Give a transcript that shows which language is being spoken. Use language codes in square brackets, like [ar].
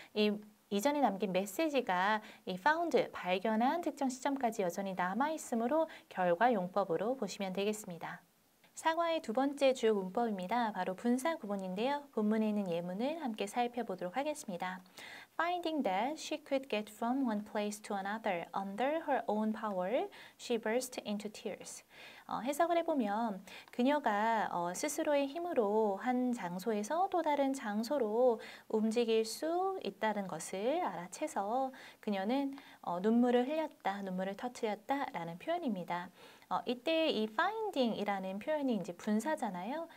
[ko] 이 이전에 남긴 메시지가 이 found, 발견한 특정 시점까지 여전히 남아있으므로 결과 용법으로 보시면 되겠습니다. 사과의 두 번째 주요 문법입니다. 바로 분사 구분인데요. 본문에 있는 예문을 함께 살펴보도록 하겠습니다. [en] Finding that she could get from one place to another under her own power, she burst into tears. [ko] 해석을 해보면 그녀가 스스로의 힘으로 한 장소에서 또 다른 장소로 움직일 수 있다는 것을 알아채서 그녀는 눈물을 흘렸다, 눈물을 터뜨렸다라는 표현입니다. 이때 이 finding이라는 표현이 이제 분사잖아요.